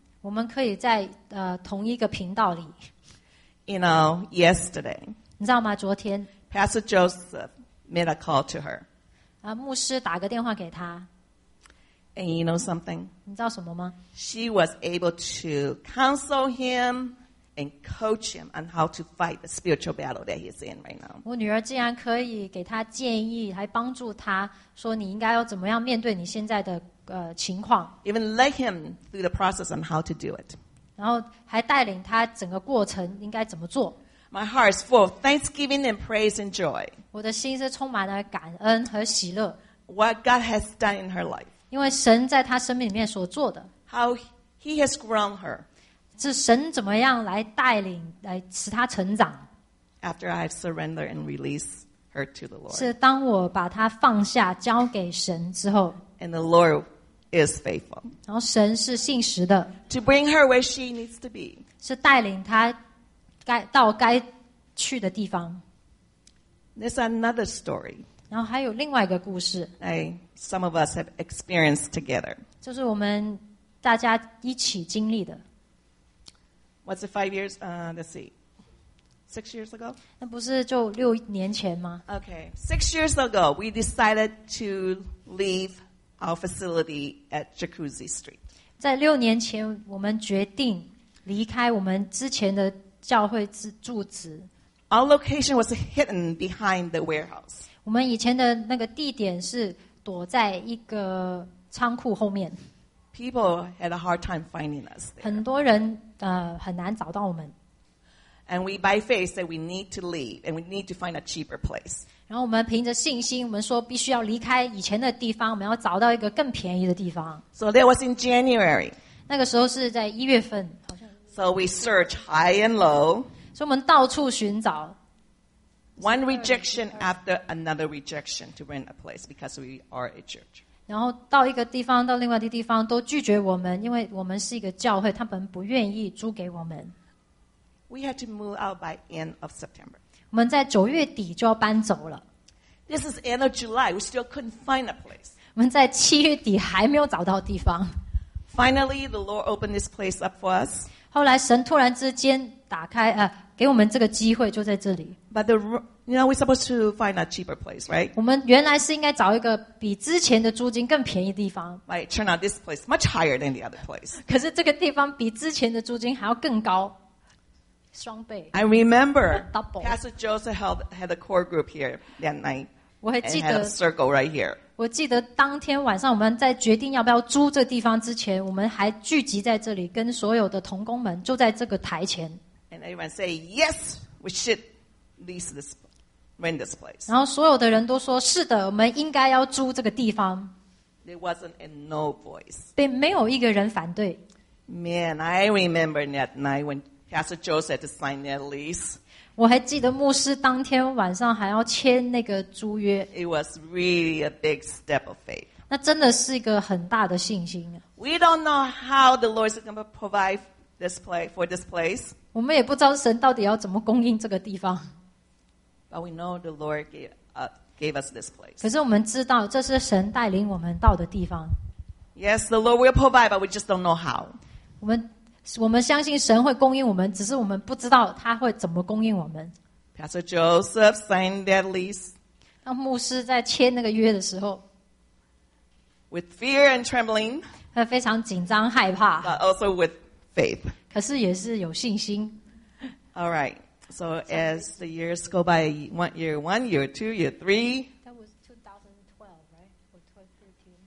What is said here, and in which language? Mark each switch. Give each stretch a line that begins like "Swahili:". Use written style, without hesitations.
Chinese: 我们可以在同一个频道里。
English: You know, yesterday.
Chinese: 你知道吗？昨天。
English: Pastor Joseph made a call to her.
Chinese: 牧师打个电话给她。
English: And you know something?
Chinese: 你知道什么吗？
English: She was able to counsel him. And coach him on how to fight the spiritual battle that he's in right now.
Chinese: 我女儿竟然可以给他建议，还帮助他说你应该要怎么样面对你现在的情况。
English: Even led him through the process on how to do it.
Chinese: 然后还带领他整个过程应该怎么做。
English: My heart is full of thanksgiving and praise and joy.
Chinese: 我的心是充满了感恩和喜乐。
English: What God has done in her life.
Chinese: 因为神在他生命里面所做的。
English: How he has grown her.
Chinese: 是神怎么样来带领来使他成长
English: After I have surrendered and released her to the Lord
Chinese: 是当我把他放下交给神之后
English: And the Lord is faithful
Chinese: 然后神是信实的
English: To bring her where she needs to be
Chinese: 是带领他到该去的地方。
English: There's another story.
Chinese: 然后还有另外一个故事。
English: Some of us have experienced together.
Chinese: 就是我们大家一起经历的。
English: What's it, 5 years? Let's see. 6 years ago?
Chinese: 那不是就六年前吗
English: ？Okay, 6 years ago, we decided to leave our facility at Jacuzzi Street.
Chinese: 在六年前，我们决定离开我们之前的教会住址。
English: Our location was hidden behind the warehouse.
Chinese: 我们以前的那个地点是躲在一个仓库后面。
English: People had a hard time finding us there.
Chinese: 很多人很难找到我们。
English: And we by faith said we need to leave and we need to find a cheaper place.
Chinese: 然后我们凭着信心，我们说必须要离开以前的地方，我们要找到一个更便宜的地方。
English: So that was in January.
Chinese: 那个时候是在一月份，好像。
English: So we searched high and low.
Chinese: 所以我们到处寻找。
English: One rejection after another rejection to rent a place because we are a church.
Chinese: 然后到一个地方，到另外的地方都拒绝我们，因为我们是一个教会，他们不愿意租给我们。
English: We had to move out by end of September.
Chinese: 我们在九月底就要搬走了。
English: This is end of July. We still couldn't find a place.
Chinese: 我们在七月底还没有找到地方。
English: Finally, the Lord opened this place up for us.
Chinese: 后来神突然之间打开给我们这个机会就在这里。
English: But the, you know, we're supposed to find a cheaper place, right?
Chinese: 我们原来是应该找一个比之前的租金更便宜的地方。
English: Right, turn out this place much higher than the other place.
Chinese: 可是这个地方比之前的租金还要更高。双倍。
English: I remember, Double. Pastor Joseph had a core group here that night.
Chinese: 我还记得。
English: And had a circle right here.
Chinese: 我记得当天晚上我们在决定要不要租这个地方之前，我们还聚集在这里，跟所有的同工们就在这个台前。
English: And everyone say yes, we should lease this, rent this place.
Chinese: 然后所有的人都说是的，我们应该要租这个地方。
English: There wasn't a no voice.
Chinese: 并没有一个人反对。
English: Man, I remember that night when Pastor Joseph had to sign that lease.
Chinese: 我还记得牧师当天晚上还要签那个租约。
English: It was really a big step of faith.
Chinese: 那真的是一个很大的信心。
English: We don't know how the Lord is going to provide this place for this place.
Chinese: 我们也不知道神到底要怎么供应这个地方。
English: But we know the Lord gave us this place.
Chinese: 可是我们知道这是神带领我们到的地方。
English: Yes, the Lord will provide, but we just don't know how.
Chinese: 我们相信神会供应我们，只是我们不知道他会怎么供应我们。
English: Pastor Joseph signed that lease.
Chinese: 当牧师在签那个约的时候。
English: With fear and trembling.
Chinese: 他非常紧张害怕。
English: But also with faith.
Chinese: 可是也是有信心。
English: All right. So as the years go by, one year, 2 year, 3. That was 2012, right? Or 2013.